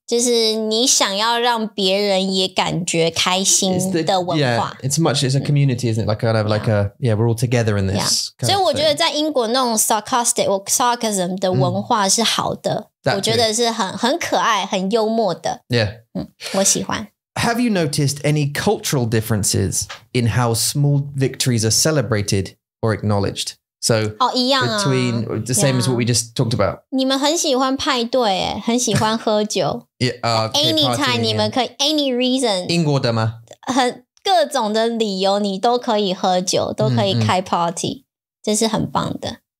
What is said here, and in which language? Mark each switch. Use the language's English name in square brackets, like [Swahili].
[Chinese] 就是你想要让别人也感觉开心的文化。 [English] It's a community, isn't it? Like kind of like a, yeah, we're all together in this. Yeah. [Chinese] 所以我觉得在英国那种 [English] sarcastic or sarcasm [Chinese] 的文化是好的。我觉得是很可爱，很幽默的。 [English] Yeah. [Chinese] 我喜欢。 [English] Have you noticed any cultural differences in how small victories are celebrated or acknowledged? So, [Chinese] oh, 一样啊, [English] between the same as what we just talked about. [Chinese] 你们很喜欢派对耶，很喜欢喝酒。 [English] Yeah, okay, anytime, partying, [Chinese] 你们可以 [English] any reason. [Chinese] 英国的吗？很各种的理由，你都可以喝酒，都可以开 party， 这是很棒的。